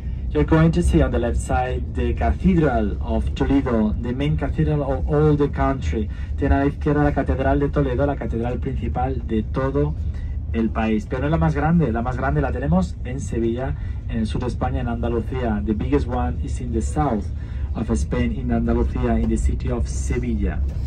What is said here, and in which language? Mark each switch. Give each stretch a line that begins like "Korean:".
English: You're going to see on the left side the Cathedral of Toledo, the main cathedral of all the country.
Spanish: Tiene a la izquierda la Catedral de Toledo, la catedral principal de todo el país. Pero no es la más grande la tenemos en Sevilla, en el sur de España, en Andalucía.
English: The biggest one is in the south of Spain, in Andalucía, in the city of Sevilla.